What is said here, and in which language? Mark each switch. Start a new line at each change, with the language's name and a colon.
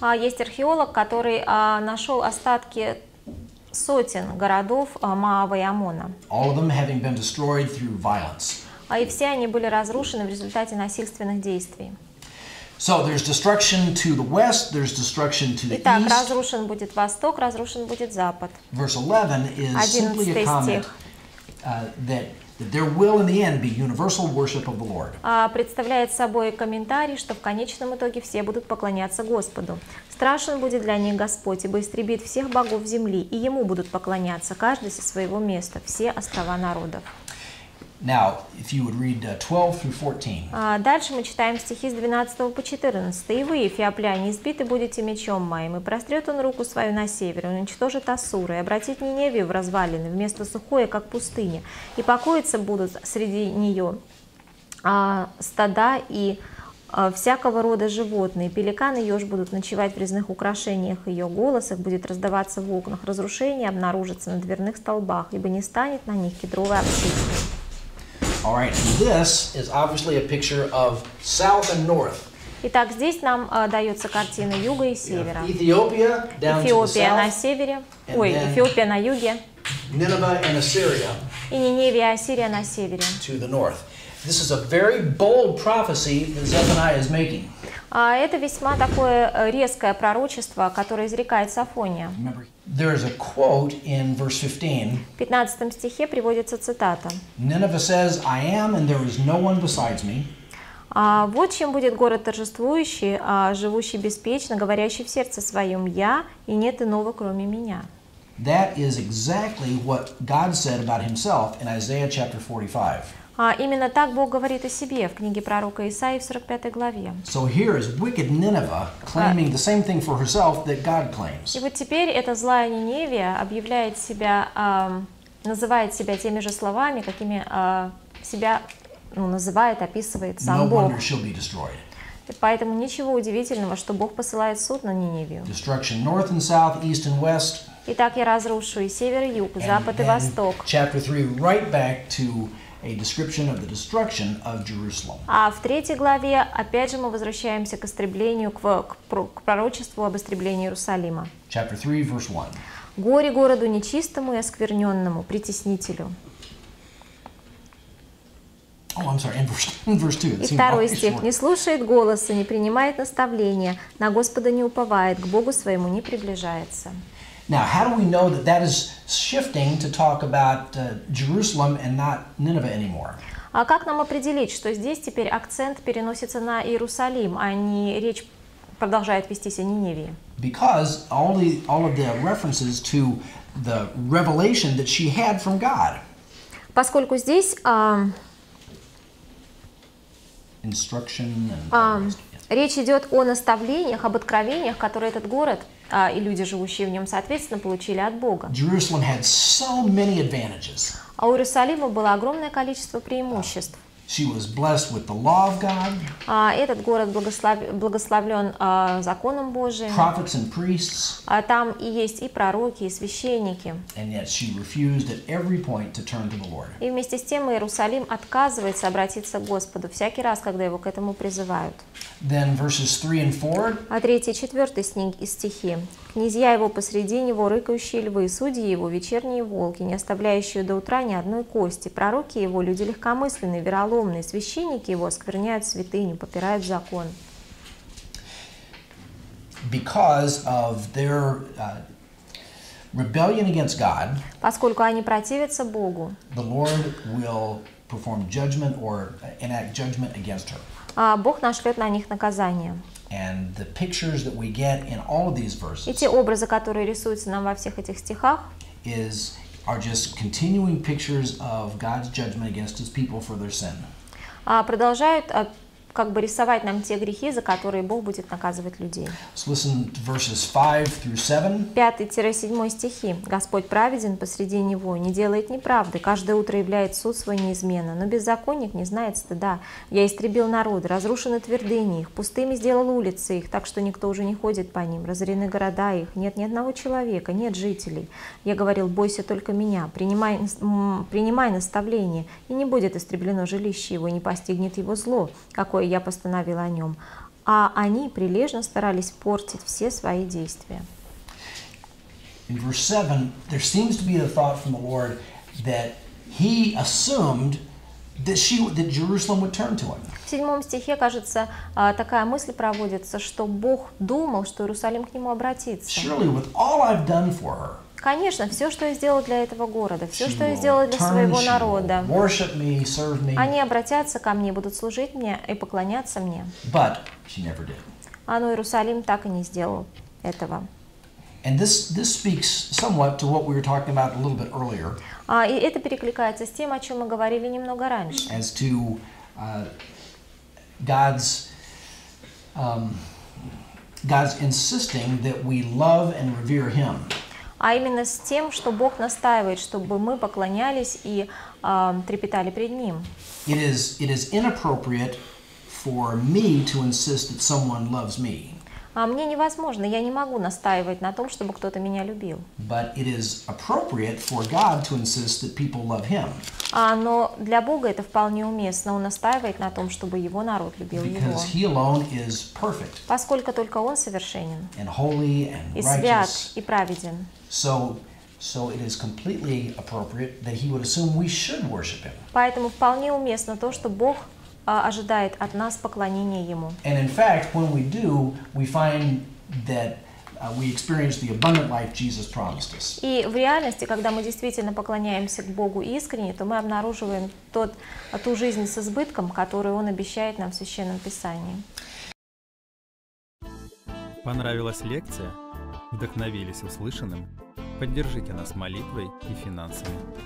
Russian: Есть археолог, который нашел остатки сотен городов Моава и Аммона.
English: All of them having been destroyed through violence.
Russian: И все они были разрушены в результате насильственных действий.
English: So there's destruction to the west, there's destruction to the east.
Russian: Итак, разрушен будет восток, разрушен будет запад.
English: Verse 11 is simply a comment that there will in the end be universal worship of the Lord.
Russian: Представляет собой комментарий, что в конечном итоге все будут поклоняться Господу. Страшен будет для них Господь, ибо истребит всех богов земли, и ему будут поклоняться каждый со своего места, все острова народов.
English: Now, if you would read 12 through 14.
Russian: Дальше мы читаем стихи с 12 по 14. «И вы, эфиопляне, избиты будете мечом моим, и прострет он руку свою на север, и уничтожит Ассуры, и обратит Ниневию в развалины, вместо сухое, как пустыня, и покоятся будут среди нее стада и всякого рода животные, пеликаны еж будут ночевать в резных украшениях ее, голос их будет раздаваться в окнах, разрушение обнаружится на дверных столбах, ибо не станет на них кедровой обшивки».
English: All right. This is obviously a picture of south and north.
Russian: Итак, здесь нам дается картина юга и севера.
English: Ethiopia down
Russian: Эфиопия
English: to the south.
Russian: На севере. Ой, Эфиопия на юге.
English: Nineveh and Assyria.
Russian: И Ниневия, Ассирия на севере.
English: To the north. This is a very bold prophecy that Zephaniah is making.
Russian: Это весьма такое резкое пророчество, которое изрекает Сафония.
English: There is a quote in verse 15.
Russian: В 15 стихе приводится цитата.
English: Nineveh says, "I am, and there is no one besides me."
Russian: Вот чем будет город торжествующий, живущий беспечно, говорящий в сердце своем: "Я и нет иного, кроме меня."
English: That is exactly what God said about Himself in Isaiah chapter 45.
Russian: Именно так Бог говорит о себе в книге пророка Исаии в 45 главе.
English: So here is wicked Nineveh claiming the same thing for herself that God claims.
Russian: И вот теперь эта злая Ниневия объявляет себя, называет себя теми же словами, какими себя называет, описывает сам
English: no
Russian: Бог.
English: No wonder she'll be destroyed.
Russian: Поэтому ничего удивительного, что Бог посылает суд на Ниневию.
English: Destruction north and south, east and west.
Russian: Итак, я разрушу и север, и юг,
English: and
Russian: запад и восток.
English: Chapter 3, right back to a description of the destruction of Jerusalem.
Russian: А в третьей главе опять же мы возвращаемся к истреблению, к пророчеству об истреблении Иерусалима.
English: Chapter 3, verse 1.
Russian: Горе городу нечистому и оскверненному, притеснителю.
English: Oh, I'm sorry, in verse 2.
Russian: И второй стих. Не слушает голоса, не принимает наставления, на Господа не уповает, к Богу своему не приближается.
English: Now, how do we know that that is shifting to talk about Jerusalem and not Nineveh anymore?
Russian: А как нам определить, что здесь теперь акцент переносится на Иерусалим, а не речь продолжает вестись о Ниневии?
English: Because all of the references to the revelation that she had from God.
Russian: Поскольку здесь
English: instruction and all the rest, yes.
Russian: Речь идет о наставлениях, об откровениях, которые этот город и люди, живущие в нем, соответственно, получили от Бога.
English: Jerusalem had so many advantages.
Russian: А у Иерусалима было огромное количество преимуществ.
English: She was blessed with the law of God.
Russian: Этот город благословлен законом Божиим.
English: Prophets and priests.
Russian: Там и есть и пророки, и священники.
English: And yet she refused at every point to turn to the Lord.
Russian: И вместе с тем Иерусалим отказывается обратиться к Господу всякий раз, когда его к этому призывают.
English: Then verses 3 and 4.
Russian: А третий, четвертый стихи. Князья его посреди него, рыкающие львы, судьи его, вечерние волки, не оставляющие до утра ни одной кости. Пророки его, люди легкомысленные, вероломные, священники его, оскверняют святыню, попирают закон.
English: Because of their rebellion against God,
Russian: поскольку они противятся Богу,
English: the Lord will perform judgment or enact judgment against her.
Russian: Бог нашлет на них наказание.
English: And the pictures that we get in all of these verses,
Russian: и те образы, которые рисуются нам во всех этих стихах,
English: are just continuing pictures of God's judgment against His people for their sin.
Russian: Продолжают как бы рисовать нам те грехи, за которые Бог будет наказывать людей.
English: So listen to verses 5-7.
Russian: 5-7 стихи. Господь праведен посреди него, не делает неправды. Каждое утро являет суд свой неизменно. Но беззаконник не знает стыда. Я истребил народы, разрушены твердыни их, пустыми сделал улицы их, так что никто уже не ходит по ним. Разорены города их, нет ни одного человека, нет жителей. Я говорил, бойся только меня, принимай наставление, и не будет истреблено жилище его, и не постигнет его зло, какое я постановил о нем. А они прилежно старались портить все свои действия.
English: In verse 7, there seems to be a thought from the Lord that he assumed that Jerusalem would turn to him.
Russian: В 7 стихе, кажется, такая мысль проводится, что Бог думал, что Иерусалим к нему обратится.
English: Surely with all I've done for her,
Russian: конечно, все, что я сделал для этого города, все, что я сделал для своего народа, они обратятся ко мне, будут служить мне и поклоняться мне. Но Иерусалим так и не сделал этого.
English: And this speaks somewhat to what we were talking about a little bit earlier.
Russian: И это перекликается с тем, о чем мы говорили немного раньше.
English: As to God's God's insisting that we love and revere Him.
Russian: А именно с тем, что Бог настаивает, чтобы мы поклонялись и трепетали пред Ним.
English: It is inappropriate for me to insist that someone loves me.
Russian: А мне невозможно, я не могу настаивать на том, чтобы кто-то меня любил.
English: But it is appropriate for God to insist that people love Him.
Russian: Но для Бога это вполне уместно. Он настаивает на том, чтобы Его народ любил Его.
English: Because He alone is perfect.
Russian: Поскольку только Он совершенен.
English: And holy and righteous.
Russian: И свят, и праведен.
English: So it is completely appropriate that He would assume we should worship Him.
Russian: Поэтому вполне уместно то, что Бог ожидает от нас поклонения Ему.
English: And in fact, when we do, we find that we experience the abundant life Jesus promised us.
Russian: И в реальности, когда мы действительно поклоняемся Богу искренне, то мы обнаруживаем ту жизнь с избытком, которую Он обещает нам в Священном Писании. Понравилась лекция? Вдохновились услышанным? Поддержите нас молитвой и финансами.